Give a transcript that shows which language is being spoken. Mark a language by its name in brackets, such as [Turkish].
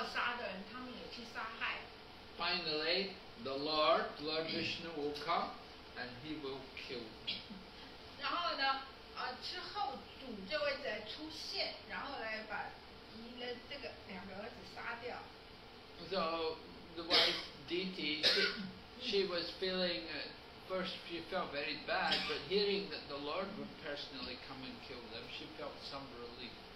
[Chinese] 然后呢，会去骚扰，会去欺负女子，然后会骚扰别人啊。对于没有理由要杀的人，他们也去杀害。 [English] Finally, the Lord Vishnu will come, and he will kill. [Chinese] 然后呢，之后主就会再出现，然后来把这个两个儿子杀掉。 [English] So the wife Diti, she was feeling it. First, she felt very bad, but hearing that the Lord would personally come and kill them, she felt some relief.